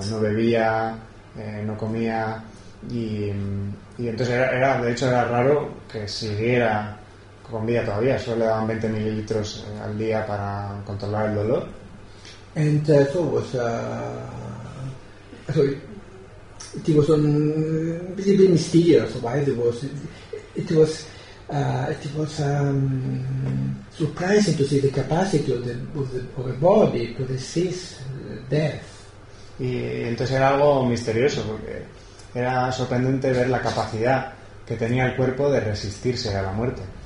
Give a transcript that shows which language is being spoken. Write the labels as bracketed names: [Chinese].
[Spanish] No bebía, no comía. Y entonces era, de hecho era raro que siguiera con vida todavía. Solo le daban 20 mililitros al día para controlar el dolor. [English] And so was it was a little bit mysterious why it was surprising to see the capacity of the body to resist death. [Spanish] Y entonces era algo misterioso porque era sorprendente ver la capacidad que tenía el cuerpo de resistirse a la muerte.